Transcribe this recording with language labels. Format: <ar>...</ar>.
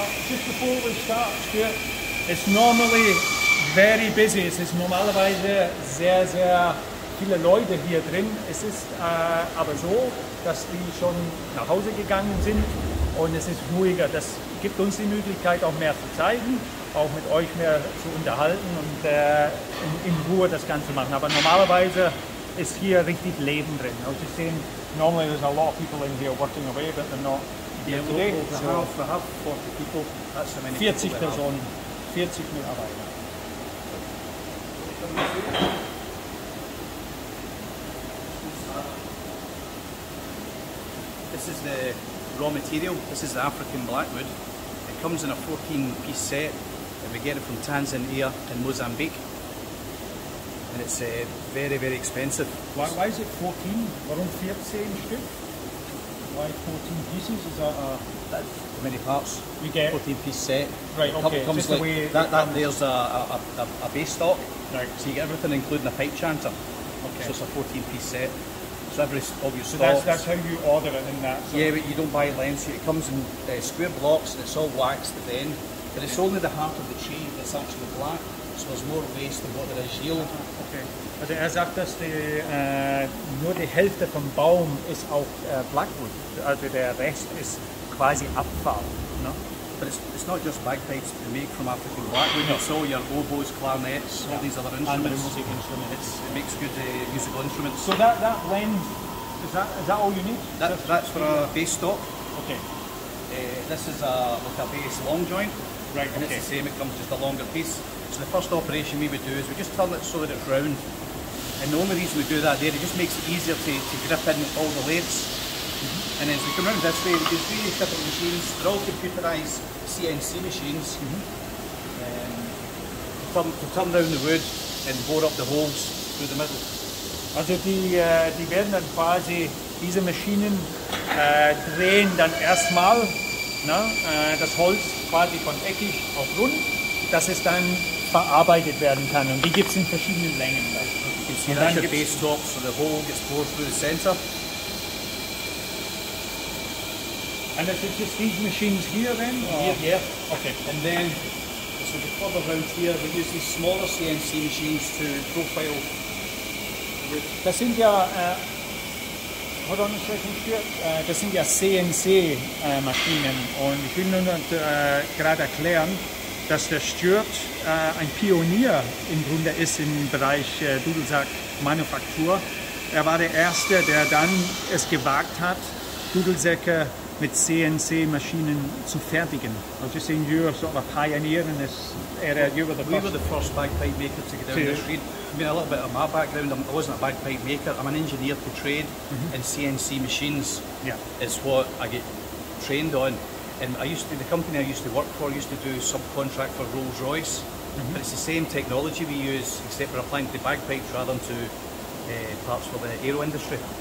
<en>Just before we start, Stuart, it's normally very busy.</en> <de>Es ist normalerweise sehr, sehr viele Leute hier drin. Es ist aber so, dass die schon nach Hause gegangen sind und es ist ruhiger. Das gibt uns die Möglichkeit, auch mehr zu zeigen, auch mit euch mehr zu unterhalten und in Ruhe das Ganze machen. Aber normalerweise ist hier richtig Leben drin.</de> <en>Also you see, normally there's a lot of people in here working away, but they're not. Yeah, we have 40 people. That's how many 40 people</en> <de>Personen,</de> <en>have.</en> <de>40 Mitarbeiter.</de> <en>This is the raw material. This is the African blackwood. It comes in a 14-piece set. And we get it from Tanzania and Mozambique, and it's very, very expensive. Why is it 14?</en> <de>Warum 14 Stück?</de> <en>Why 14 pieces? Is that how many parts? You get 14 piece set. Right. Okay. It comes just like the way that. It that there's a base stock. Right. So you get everything, including a pipe chanter. Okay. So it's a 14 piece set. So every of your so stocks. That's how you order it in that. So yeah, but you don't buy lengths. It comes in square blocks, and it's all waxed at the end. But it's only the heart of the tree that's actually black, so there's more waste than what there is yield. Okay.</en> <de>Also sagt, dass nur die Hälfte vom Baum ist auch Blackwood. Also der Rest ist quasi Abfall. No?</de> <en>But it's not just bagpipes we make from African blackwood. No. It's all your oboes, clarinets, yeah, all these other instruments. And the music instruments. It makes good musical instruments. So that lens, is that all you need? That's for a bass stock. Okay. This is a bass long joint. Right, and okay, it's the same, it comes just a longer piece. So the first operation we would do is we just turn it so that it's round. And the only reason we do that there, it just makes it easier to grip in all the lathes. Mm-hmm. And then as we come round this way, we use various different machines. They're all computerised CNC machines. Mm-hmm. turn down the wood and bore up the holes through the middle.</en> <de>Also die werden dann quasi diese Maschinen drehen dann erstmal das Holz quasi von eckig auf rund, dass es dann verarbeitet werden kann. Und die gibt es in verschiedenen Längen.</de> <en>Okay, you can see the base top, so the hole gets bored through the center. And is it just these machines here then? Yeah. Okay. And then, as we get further around here, we use these smaller CNC machines to profile.</en> <de>Das sind ja,</de> <en>hold on a second here,</en> <de>das sind ja CNC-Maschinen. Und ich will nur gerade erklären, dass der Stuart ein Pionier im Grunde ist im Bereich Dudelsack-Manufaktur. Er war der Erste, der dann es gewagt hat, Dudelsäcke mit CNC-Maschinen zu fertigen.</de> <en>Also you're saying you're sort of a pioneer in this area, you were the first. We were the first bagpipe maker to get down this street. I mean, a little bit of my background, I wasn't a bagpipe maker, I'm an engineer to trade, and CNC machines is what I get trained on. And I used to, the company I used to work for, used to do subcontract for Rolls Royce, but it's the same technology we use, except we're applying to bagpipes rather than to parts for the aero industry.</en>